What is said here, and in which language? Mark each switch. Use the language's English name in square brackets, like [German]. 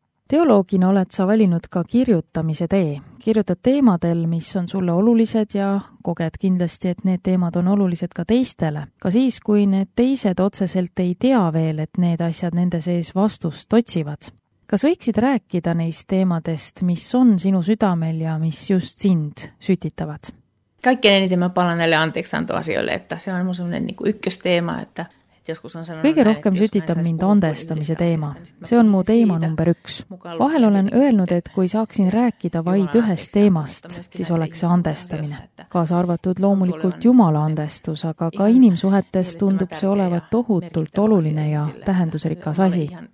[Estonian] Teoloogina oled sa valinud ka kirjutamise tee. Kirjutad teemadel, mis on sulle olulised ja koged kindlasti, et need teemad on olulised ka teistele. Ka siis, kui need teised otseselt ei tea veel, et need asjad nende sees vastust otsivad. Kas võiksid rääkida neist teemadest, mis on sinu südamel ja mis just sind sütitavad? [Finnish] Kaikkein eniten ma palan näille anteeksiantoasioille, et see on mul sellainen ykkösteema, että [Estonian] Kõige rohkem sütitab mind andestamise teema. See on mu teema number üks. Vahel olen öelnud, et kui saaksin rääkida vaid ühest teemast, siis oleks see andestamine. Kaasa arvatud loomulikult Jumala andestus, aga ka inimsuhetes tundub see olevat tohutult oluline ja tähendusrikas asi.